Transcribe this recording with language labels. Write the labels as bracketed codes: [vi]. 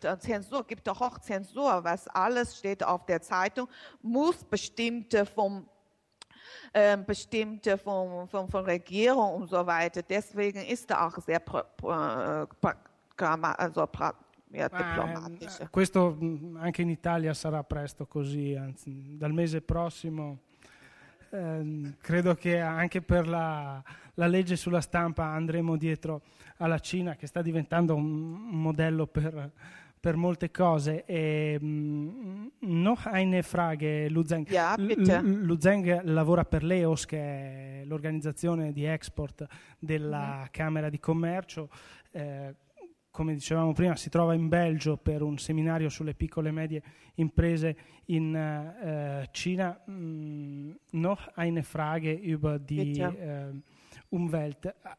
[de] Zensur gibt doch auch Zensur, was alles steht auf der Zeitung, muss bestimmte von Regierung und so weiter. Deswegen ist da auch sehr diplomatisch. [it] Questo anche in Italia sarà presto così, anzi dal mese prossimo. Credo che anche per la legge sulla stampa andremo dietro alla Cina, che sta diventando un modello per molte cose. [de] E, noch eine Frage, Lu Zeng. Ja, bitte. [it] Lu Zeng lavora per l'EOS, che è l'organizzazione di export della Camera di Commercio. Come dicevamo prima, si trova in Belgio per un seminario sulle piccole e medie imprese in Cina. [de] Noch eine Frage über die Umwelt.